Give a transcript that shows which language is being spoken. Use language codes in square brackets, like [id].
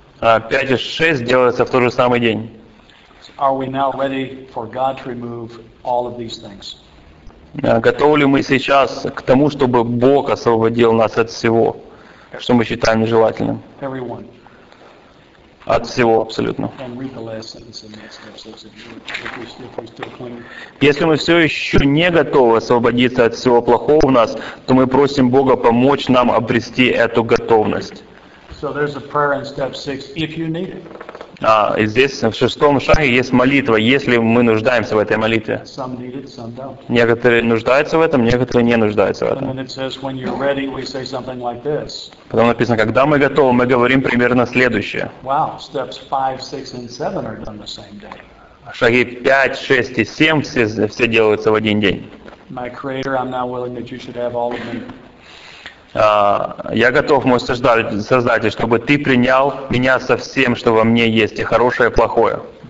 [ru] 5 и 6 делаются в тот же самый день. [en] Are we now ready for God to remove all of these things? [ru] Готовы ли мы сейчас к тому, чтобы Бог освободил нас от всего, что мы считаем нежелательным? [en] Everyone. [ru] От всего абсолютно. [en] And read the last sentence in that step six if we still cling. [ru] Если мы все еще не готовы освободиться от всего плохого в нас, то мы просим Бога помочь нам обрести эту готовность. [en] So there's a prayer in step six if you need it. [ru] И здесь в шестом шаге есть молитва, если мы нуждаемся в этой молитве. [en] Some need it, some don't. [ru] Некоторые нуждаются в этом, некоторые не нуждаются в этом. [en] And then it says, when you're ready, we say something like this. [ru] Потом написано, когда мы готовы, мы говорим примерно следующее. [en] Wow, steps 5, 6, and 7 are done the same day. [ru] Шаги 5, 6 и 7 все делаются в один день. [en] My Creator, I'm now willing that you should have all of them. [ru] Я готов, мой Создатель, чтобы ты принял меня со всем, что во мне есть, и хорошее, и плохое.